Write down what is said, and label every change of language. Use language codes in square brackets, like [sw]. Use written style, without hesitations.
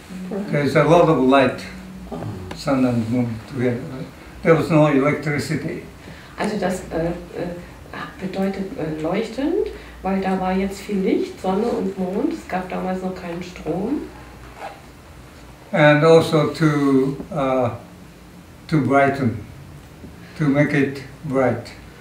[en] There's a lot of light, sun and moon together. There was no electricity. [de] Also das bedeutet leuchtend, weil da war jetzt viel Licht, Sonne und Mond. Es gab damals noch keinen Strom. [en] And also to brighten, to make it bright.